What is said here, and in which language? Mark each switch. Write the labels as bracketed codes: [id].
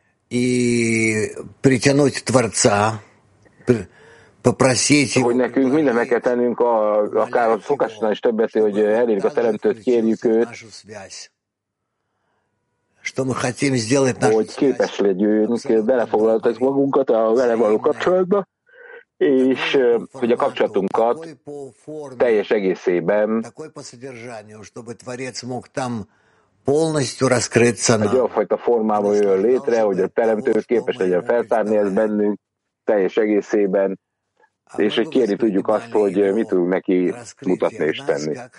[ru] И притянуть Творца, попросить его. [hu] Nekünk mindent meg kell tennünk, akár a szokásnál is többet, hogy elérjük a Teremtőt, kérjük őt. [ru] Что мы хотим сделать нашу связь? [hu] Képes legyünk belefoglaltatni magunkat a vele való kapcsolatba, és hogy a kapcsolatunkat teljes egészében. [ru] Такой по содержанию, чтобы Творец мог там полностью раскрыться нам. [hu] Egy olyanfajta formában jön létre, hogy a Teremtő képes legyen feltárni ezt bennünk teljes egészében, és hogy kérni tudjuk azt, hogy mit tudunk neki mutatni és tenni.